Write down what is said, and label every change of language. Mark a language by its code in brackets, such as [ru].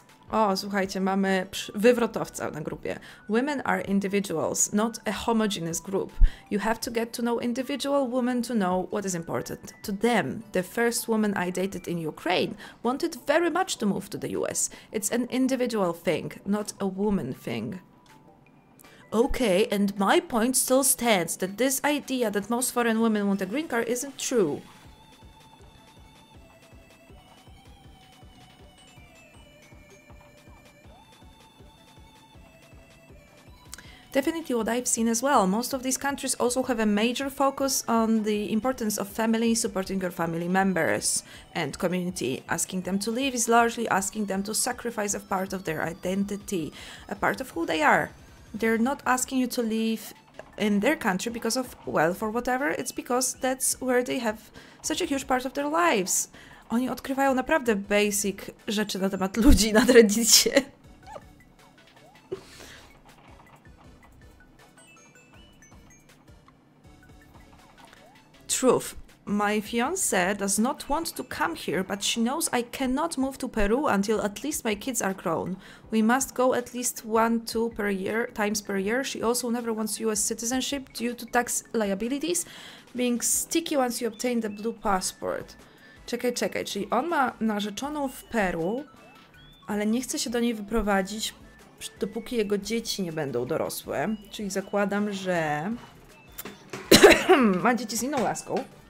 [pl] O, słuchajcie, mamy wywrotowca na grupie. [en] Women are individuals, not a homogeneous group. You have to get to know individual women to know what is important to them. The first woman I dated in Ukraine wanted very much to move to the US. It's an individual thing, not a woman thing. Okay, and my point still stands that this idea that most foreign women want a green card isn't true. Definitely what I've seen as well. Most of these countries also have a major focus on the importance of family, supporting your family members and community. Asking them to leave is largely asking them to sacrifice a part of their identity, a part of who they are. They're not asking you to leave in their country because of wealth or whatever, it's because that's where they have such a huge part of their lives. [pl] Oni odkrywają naprawdę basic rzeczy na temat ludzi na Redditie. [en] Truth. My fiancé does not want to come here, but she knows I cannot move to Peru until at least my kids are grown. We must go at least two times per year. She also never wants US citizenship due to tax liabilities being sticky once you obtain the blue passport. [pl] Czekaj, czyli on ma narzeczoną w Peru, ale nie chce się do niej wyprowadzić, dopóki jego dzieci nie będą dorosłe. Czyli zakładam, że ma dzieci z inną laską.